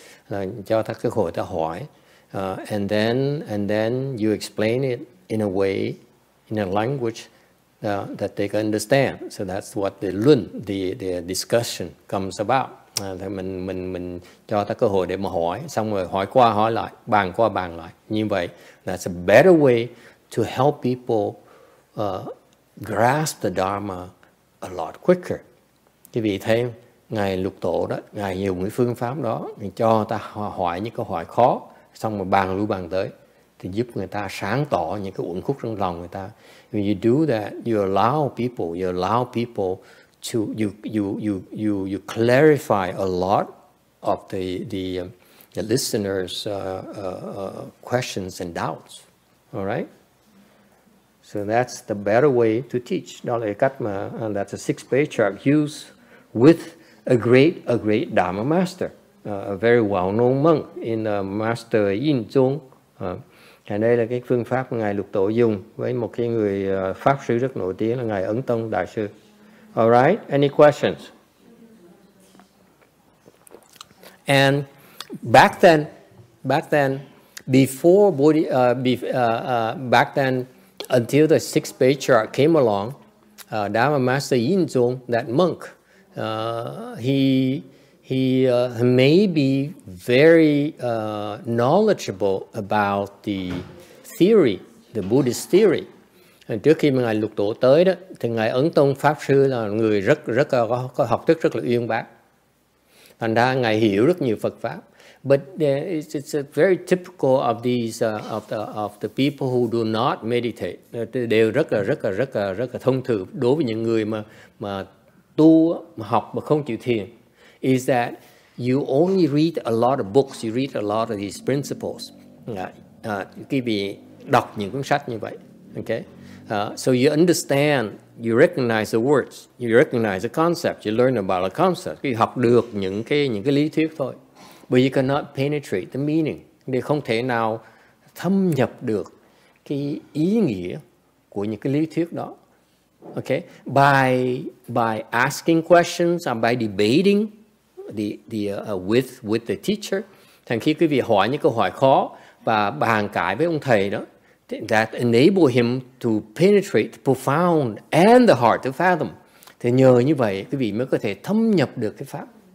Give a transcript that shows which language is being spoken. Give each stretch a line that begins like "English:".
Vietnamese: Là cho ta cơ hội ta hỏi,
English: and then you explain it in a way, in a language that they can understand. So that's what the luận, the discussion comes about.
Vietnamese: Thì mình cho ta cơ hội để mà hỏi, xong rồi hỏi qua hỏi lại, bàn qua bàn lại. Như vậy,
English: that's a better way to help people grasp the Dharma a lot quicker.
Vietnamese: Quý vị thấy, Ngài Lục Tổ đó, Ngài dùng cái phương pháp đó, Ngài cho ta hỏi những câu hỏi khó, xong rồi bàn lui bàn tới, thì giúp người ta sáng tỏ những cái uẩn khúc trong lòng người ta.
English: When you do that, you allow people to you clarify a lot of the listeners questions and doubts, all right? So that's the better way to teach.
Vietnamese: Đó là cách mà,
English: and that's a 6th Patriarch use with a great Dharma master, a very well known monk in Master Yin Chung.
Vietnamese: Và đây là cái phương pháp ngài Lục Tổ dùng với một cái người pháp sư rất nổi tiếng là ngài Ấn Tông đại sư.
English: All right, any questions? And back then, until the 6th Patriarch came along, Dharma Master Yin Chung, that monk, he may be very knowledgeable about the theory, the Buddhist theory.
Vietnamese: Trước khi mà ngài Lục Tổ tới đó, thì ngài Ấn Tông pháp sư là người rất có học thức rất là uyên bác. Thành ra ngài hiểu rất nhiều Phật pháp.
English: But it's a very typical of these of the people who do not meditate.
Vietnamese: Đều rất là thông thường đối với những người mà tu mà học mà không chịu thiền.
English: Is that you only read a lot of books, you read a lot of these principles.
Vietnamese: Quý vị đọc những cuốn sách như vậy.
English: Okay? So you understand, you recognize the words, you recognize the concept, you learn about the concept. You
Vietnamese: học được những cái lý thuyết thôi.
English: But you cannot penetrate the meaning.
Vietnamese: Để không thể nào thâm nhập được cái ý nghĩa của những cái lý thuyết đó.
English: Okay? By asking questions and by debating with the teacher.
Vietnamese: Thành khi quý vị hỏi những câu hỏi khó và bàn cãi với ông thầy đó,
English: that enable him to penetrate the profound and the hard to fathom.
Vietnamese: Thì nhờ như vậy, quý vị mới có thể thâm nhập được cái pháp.